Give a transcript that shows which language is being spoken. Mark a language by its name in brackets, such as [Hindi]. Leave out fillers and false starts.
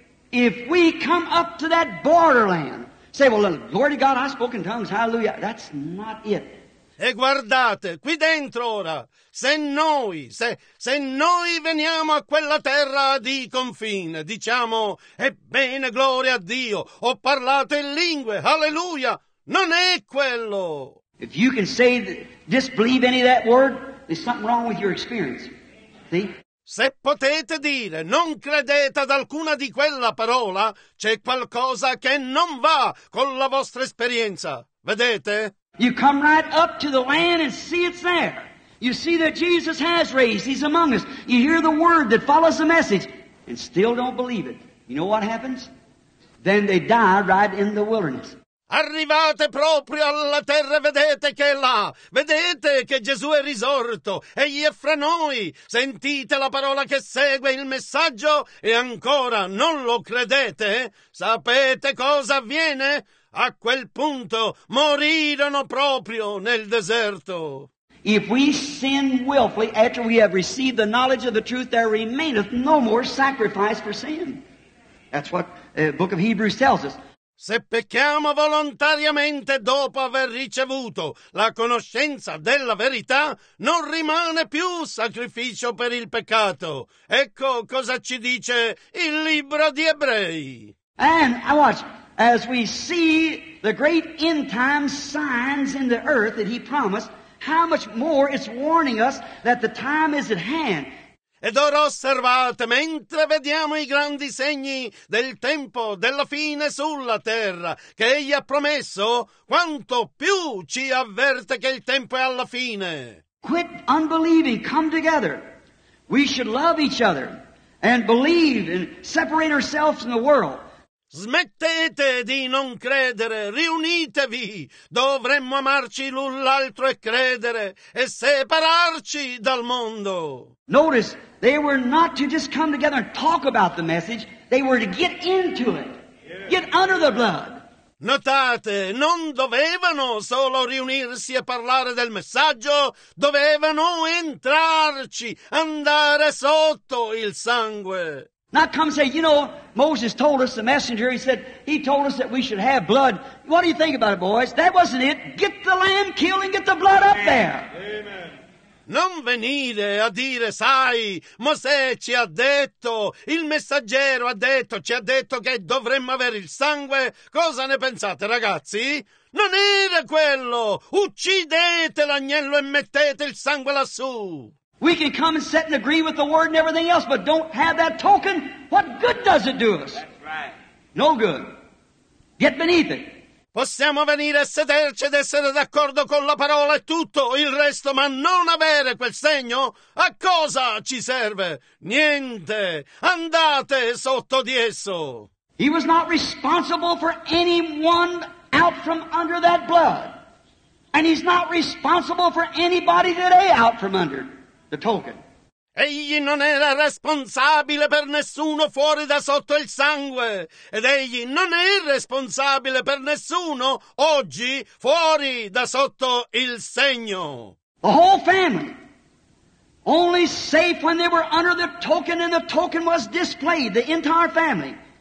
[English] If we come up to that borderland, say, well, glory to God, I spoke in tongues, hallelujah, that's not it. [Italian] E guardate, qui dentro ora, se noi veniamo a quella terra di confine, diciamo, ebbene, gloria a Dio, ho parlato in lingue, alleluia, non è quello. [English] If you can say disbelieve any of that word, there's something wrong with your experience. See? [Italian] Se potete dire non credete ad alcuna di quella parola, c'è qualcosa che non va con la vostra esperienza. Vedete? [English] You come right up to the land and see it's there. You see that Jesus has raised. He's among us. You hear the word that follows the message and still don't believe it. You know what happens? Then they die right in the wilderness. [Italian] Arrivate proprio alla terra, vedete che è là, vedete che Gesù è risorto, egli è fra noi, sentite la parola che segue il messaggio e ancora non lo credete? Sapete cosa avviene? A quel punto morirono proprio nel deserto. [English] If we sin willfully after we have received the knowledge of the truth, there remaineth no more sacrifice for sin. That's what the book of Hebrews tells us. [Italian] Se pecchiamo volontariamente dopo aver ricevuto la conoscenza della verità, non rimane più sacrificio per il peccato. Ecco cosa ci dice il libro di Ebrei. [English] And watch, as we see the great end time signs in the earth that he promised, how much more it's warning us that the time is at hand. [Italian] Ed ora osservate, mentre vediamo i grandi segni del tempo della fine sulla terra che egli ha promesso, quanto più ci avverte che il tempo è alla fine. [English] Quit unbelieving, come together. We should love each other and believe and separate ourselves from the world. [Italian] Smettete di non credere, riunitevi, dovremmo amarci l'un l'altro e credere e separarci dal mondo. [English] Notice, they were not to just come together and talk about the message, they were to get into it, get under the blood. [Italian] Notate, non dovevano solo riunirsi e parlare del messaggio, dovevano entrarci, andare sotto il sangue. [English] Now come say, you know, Moses told us, the messenger, he told us that we should have blood. What do you think about it, boys? That wasn't it. Get the lamb killed and get the blood up there. Amen. [Italian] Non venire a dire, sai, Mosè ci ha detto, il messaggero ci ha detto che dovremmo avere il sangue. Cosa ne pensate, ragazzi? Non era quello. Uccidete l'agnello e mettete il sangue lassù. [English] We can come and sit and agree with the word and everything else, but don't have that token. What good does it do us? That's right. No good. Get beneath it. [Italian] Possiamo venire a sederci ed essere d'accordo con la parola e tutto il resto, ma non avere quel segno? A cosa ci serve? Niente. Andate sotto di esso. [English] He was not responsible for anyone out from under that blood. And he's not responsible for anybody today out from under the token. [Italian] Egli non era responsabile per nessuno fuori da sotto il sangue, ed egli non è responsabile per nessuno oggi fuori da sotto il segno. [English] The whole family only safe when they were under the token, and the token was displayed, the entire family.